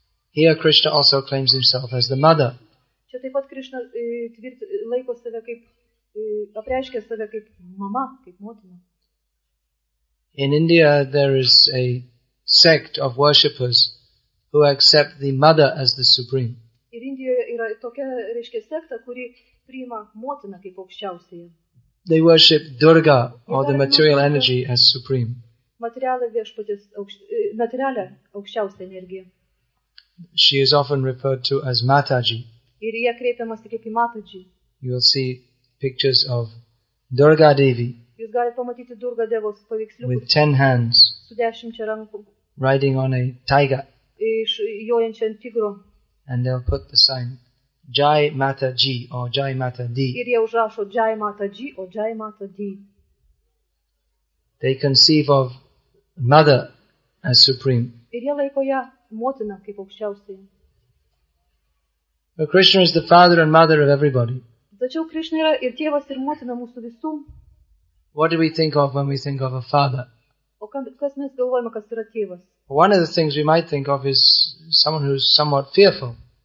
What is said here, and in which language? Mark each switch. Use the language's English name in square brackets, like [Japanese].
[English] Here Krishna also claims himself as the mother. [Lithuanian] Čia taip pat Krishna laiko save kaip apreiškia save kaip mama, kaip motina. [English] In India there is a sect of worshippers who accept the mother as the supreme. [Lithuanian] Ir Indijoje yra tokia reiškia sekta, kuri priima motiną kaip aukščiausiąją. [English] They worship Durga or the material energy as supreme. [Lithuanian] Materialią aukščiausią energiją. [English] She is often referred to as Mataji. [Lithuanian] Ir jie kreipiamasi kaip į Mataji. [English] You will see pictures of Durga Devi. [Lithuanian] Jūs galite pamatyti Durga Devos paveiksliukus. [English] With 10 hands. [Lithuanian] Su 10 rankų. [English] Riding on a tiger. [Lithuanian] Jojančią ant tigro. [English] And they'll put the sign Jai Mataji or Jai Matadi. [Lithuanian] Ir jie užrašo Jai Mataji or Jai Matadi. [English] They conceive of mother as supreme. [Lithuanian] Ir jie laiko ją motina kaip aukščiausiai. [English] But Krishna is the father and mother of everybody. [Lithuanian] Tačiau Krishna yra ir tėvas ir motina mūsų visų. [English] What do we think of when we think of a father? [Lithuanian] O kas mes galvojame, kas yra tėvas? [English] One of the things we might think of is someone who's somewhat fearful.